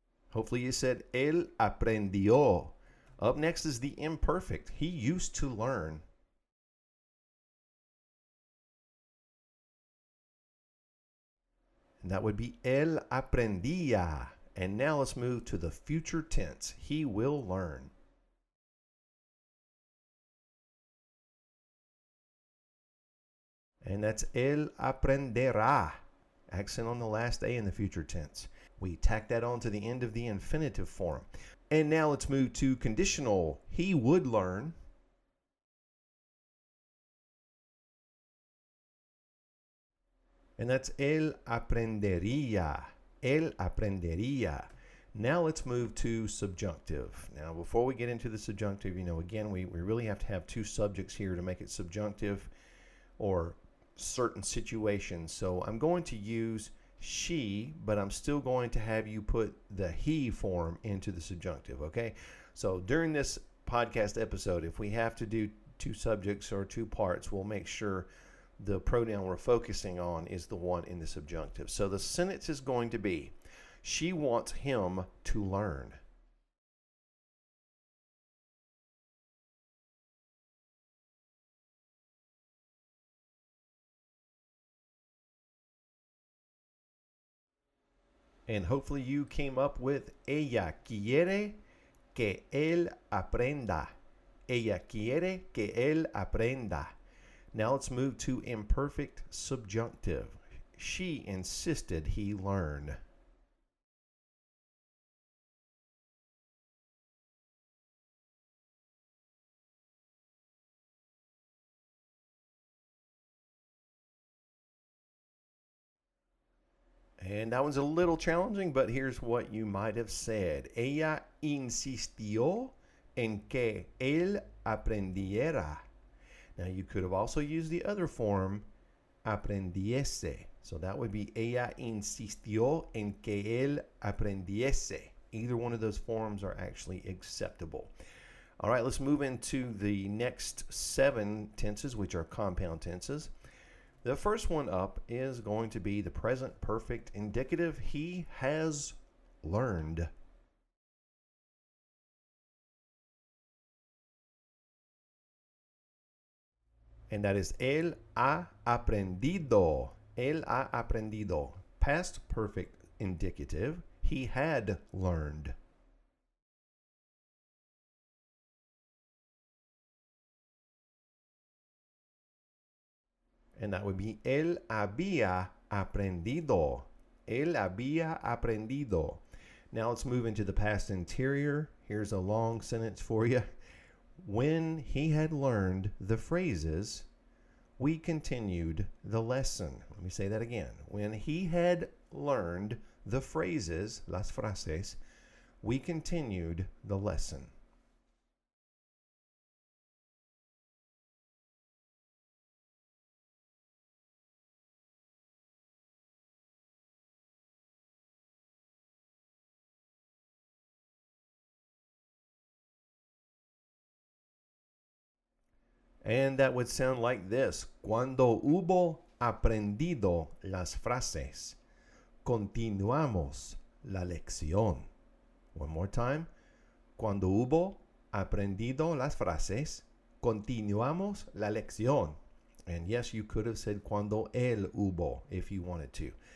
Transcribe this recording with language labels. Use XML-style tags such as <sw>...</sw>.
<en>Hopefully you said</en> <es>él aprendió.</es> <en>Up next is the imperfect. He used to learn. And that would be</en> <es>él aprendía.</es> <en>And now let's move to the future tense. He will learn. And that's</en> <es>él aprenderá.</es> <en>Accent on the last A in the future tense. We tack that on to the end of the infinitive form. And now let's move to conditional. He would learn. And that's</en> <es>él aprendería. Él aprendería.</es> <en>Now let's move to subjunctive. Now before we get into the subjunctive, you know, again, we really have to have two subjects here to make it subjunctive or certain situations. So I'm going to use she, but I'm still going to have you put the he form into the subjunctive, okay? So during this podcast episode, if we have to do two subjects or two parts, we'll make sure the pronoun we're focusing on is the one in the subjunctive. So the sentence is going to be, she wants him to learn. And hopefully you came up with</en> <es>ella quiere que él aprenda. Ella quiere que él aprenda.</es> <en>Now let's move to imperfect subjunctive. She insisted he learn. And that one's a little challenging, but here's what you might have said.</en> <es>Ella insistió en que él aprendiera.</es> <en>Now, you could have also used the other form, aprendiese. So that would be</en> <es>ella insistió en que él aprendiese.</es> <en>Either one of those forms are actually acceptable. All right, let's move into the next seven tenses, which are compound tenses. The first one up is going to be the present perfect indicative. He has learned. And that is</en> <es>él ha aprendido. Él ha aprendido.</es> <en>Past perfect indicative. He had learned. And that would be</en> <es>él había aprendido. Él había aprendido.</es> <en>Now let's move into the past interior. Here's a long sentence for you. When he had learned the phrases, we continued the lesson. Let me say that again. When he had learned the phrases,</en> <es>las frases,</es> <en>we continued the lesson. And that would sound like this.</en> <es>Cuando hubo aprendido las frases, continuamos la lección.</es> <en>One more time.</en> <es>Cuando hubo aprendido las frases, continuamos la lección.</es> <en>And yes, you could have said</en> <es>cuando él hubo</es> <en>if you wanted to.</en>